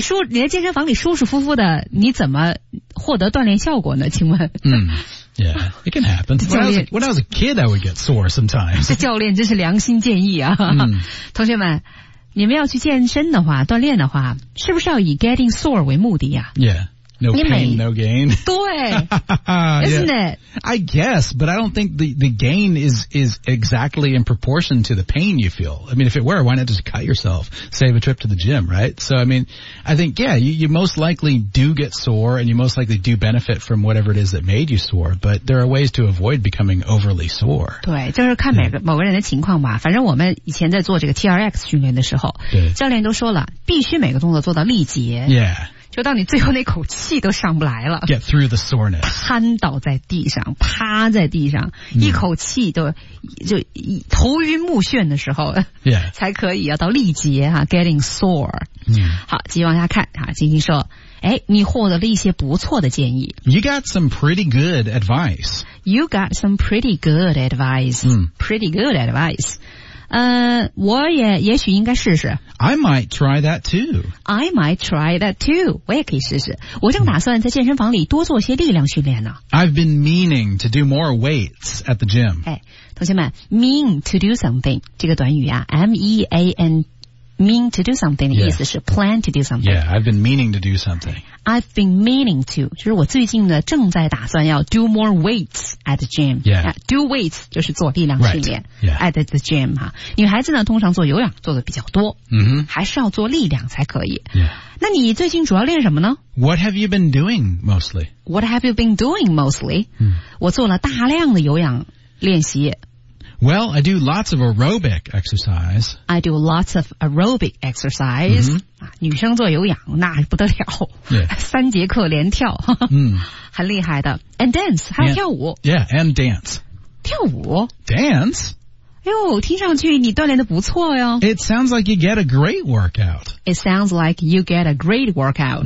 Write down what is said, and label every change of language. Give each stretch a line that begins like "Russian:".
Chinese: 你在健身房里舒舒服服的你怎么获得锻炼效果呢请问、
English: Yeah, it can happen. When I was a kid, I would get sore sometimes.
Chinese: 这教练真是良心建议啊、同学们你们要去健身的话锻炼的话是不是要以
English: getting sore
Chinese: 为目的啊
English: Yeah. No pain, no gain. 对 Isn't yeah, it? I guess, but I don't think the gain is exactly in proportion to the pain you feel. I mean, if it were, why not just cut yourself, save a trip to the gym, right? So, I mean, I think, yeah, you most likely do get sore and you most likely do benefit from whatever it is that made you sore, but there are ways to avoid becoming overly sore.
Chinese: 对就是看某个人的情况吧。反正我们以前在做这个 TRX 训练的时候对教练都说了必须每个动作做到力竭。
English: Yeah.
Chinese: 就到你最后那口气都上不来了
English: Get through the soreness
Chinese: 瘫倒在地上趴在地上、一口气都就头晕目眩的时候、
English: yeah.
Chinese: 才可以要到力竭、
English: Getting sore、
Chinese: 好继续往下看晶晶说哎，你获得了一些不错的建议
English: You got some pretty good advice You got some pretty good advice、Pretty good advice
Chinese: 我也许应该试试。
English: I might try that too. I might try that too.
Chinese: 我也可以试试。我正打算在健身房里多做些力量训练呢。
English: I've been meaning to do more weights at the gym.
Chinese: 哎，同学们 ,
English: mean to do something,
Chinese: 这个短语啊 ,mean, mean to do something 的意思是
English: plan to do something. Yeah, I've been meaning to do something. I've been meaning to,
Chinese: 就是我最近呢正在打算要
English: do more weights at the gym. Yeah. Do weights
Chinese: 就是做力量训练、
English: right. yeah. at the gym.
Chinese: 哈女孩子呢通常做有氧做的比较多、
English: mm-hmm.
Chinese: 还是要做力量才可以。
English: Yeah.
Chinese: 那你最近主要练什么呢
English: ?What have you been doing mostly? What have you been doing mostly?、 Mm.
Chinese: 我做了大量的有氧练习。
English: Well, I do lots of aerobic exercise. I do lots of aerobic exercise. Mm-hmm.
Chinese: 女生做有氧那不得了。
English: Yeah.
Chinese: 三节课连跳。
English: Mm.
Chinese: 很厉害的。
English: And dance,
Chinese: 还有跳舞。
English: Yeah, and dance.
Chinese: 跳舞。
English: Dance?
Chinese: 哎呦，听上去你锻炼得不错哟。
English: It sounds like you get a great workout. It sounds like you get a great workout.、